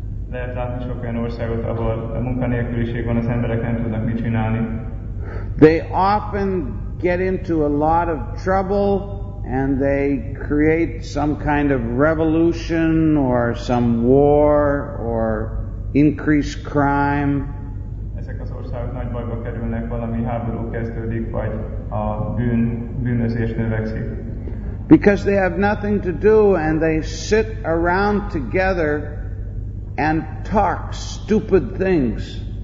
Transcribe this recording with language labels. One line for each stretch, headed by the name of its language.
English: they often get into a lot of trouble and they create some kind of revolution or some war or increased crime.
Hungarian: Nagy bajba kerülnek, valami háború kezdődik, vagy a bűnözés növekszik.
English: Because they have nothing to do and they sit around together and talk stupid things.